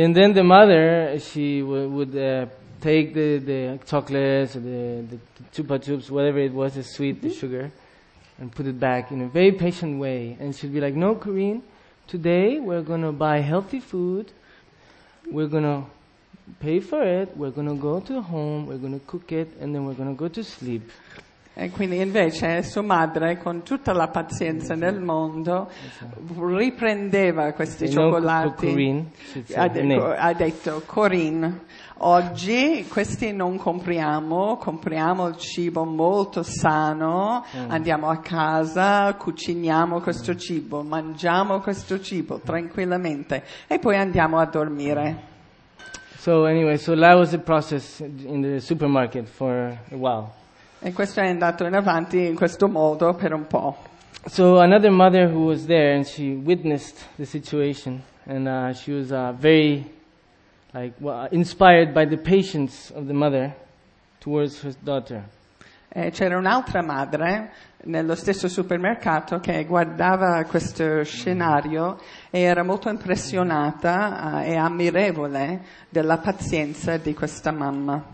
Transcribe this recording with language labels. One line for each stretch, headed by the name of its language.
English: And then the mother, she would take the chocolates, the chupa chups, whatever it was, the sweet, the sugar, and put it back in a very patient way. And she'd be like, no, Corinne, today we're going to buy healthy food. We're going to pay for it, we're gonna go to home, we're gonna cook it, and then we're gonna go to sleep.
Italian: E quindi invece sua madre, con tutta la pazienza nel mondo, riprendeva questi cioccolati. Ha detto, Corinne, oggi questi non compriamo, compriamo il cibo molto sano, andiamo a casa, cuciniamo questo cibo, mangiamo questo cibo tranquillamente, e poi andiamo a dormire.
English: So that was the process in the supermarket for a while.
Italian: E questo è andato in avanti in questo modo per un po'.
English: So another mother who was there, and she witnessed the situation, and she was very inspired by the patience of the mother towards her daughter.
Italian: E c'era un'altra madre nello stesso supermercato che guardava questo scenario e era molto impressionata e ammirevole della pazienza di questa mamma.